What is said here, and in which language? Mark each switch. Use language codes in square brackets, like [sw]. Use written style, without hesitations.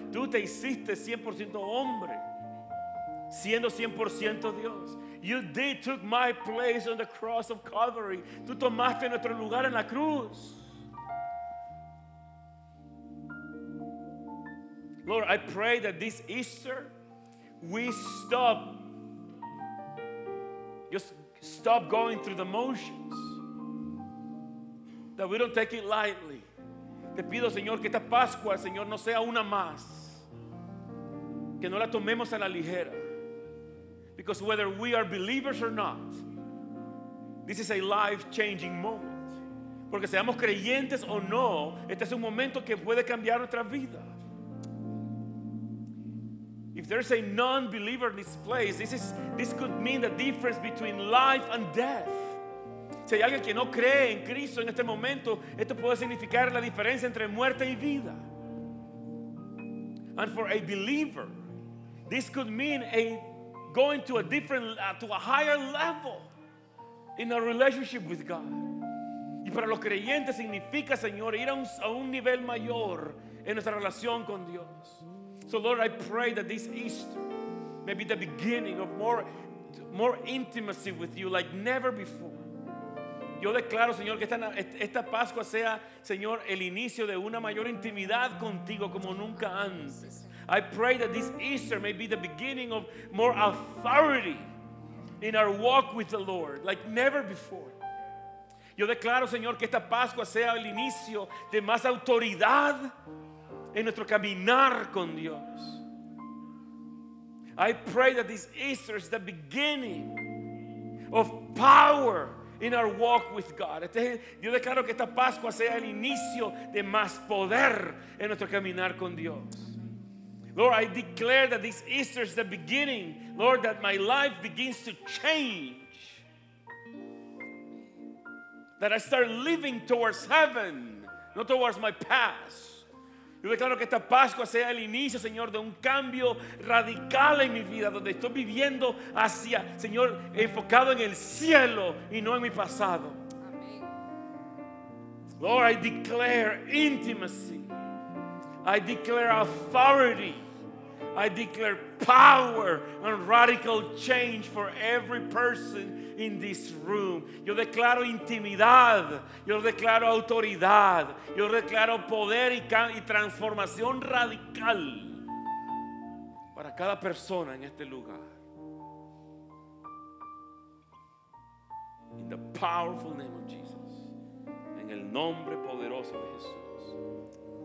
[es] Tú te hiciste 100% hombre, siendo 100% Dios. [en] You did took my place on the cross of Calvary. [es] Tú tomaste nuestro lugar en la cruz. [en] Lord, I pray that this Easter we stop. Just stop going through the motions. That we don't take it lightly. [es] Te pido, Señor, que esta Pascua, Señor, no sea una más. Que no la tomemos a la ligera. [en] Because whether we are believers or not, this is a life-changing moment. [es] Porque seamos creyentes o no, este es un momento que puede cambiar nuestra vida. [en] If there's a non-believer in this place, this could mean the difference between life and death. [es] Si hay alguien que no cree en Cristo en este momento, esto puede significar la diferencia entre muerte y vida. [en] And for a believer, this could mean going to a different, to a higher level in a relationship with God. [es] Y para los creyentes significa, Señor, ir a un nivel mayor en nuestra relación con Dios. [en] So Lord, I pray that this Easter may be the beginning of more intimacy with you like never before. [es] Yo declaro, Señor, que esta Pascua sea, Señor, el inicio de una mayor intimidad contigo como nunca antes. [en] I pray that this Easter may be the beginning of more authority in our walk with the Lord like never before. [es] Yo declaro, Señor, que esta Pascua sea el inicio de más autoridad en nuestro caminar con Dios. [en] I pray that this Easter is the beginning of power in our walk with God. [es] Yo declaro que esta Pascua sea el inicio de más poder en nuestro caminar con Dios. [en] Lord, I declare that this Easter is the beginning, Lord, that my life begins to change. That I start living towards heaven, not towards my past. [es] Yo declaro que esta Pascua sea el inicio, Señor, de un cambio radical en mi vida, donde estoy viviendo hacia, Señor, enfocado en el cielo y no en mi pasado. [en] Amén. Lord, I declare intimacy. I declare authority. I declare power and radical change for every person in this room. [es] Yo declaro intimidad. Yo declaro autoridad. Yo declaro poder y transformación radical para cada persona en este lugar. [en] In the powerful name of Jesus. [es] En el nombre poderoso de Jesús.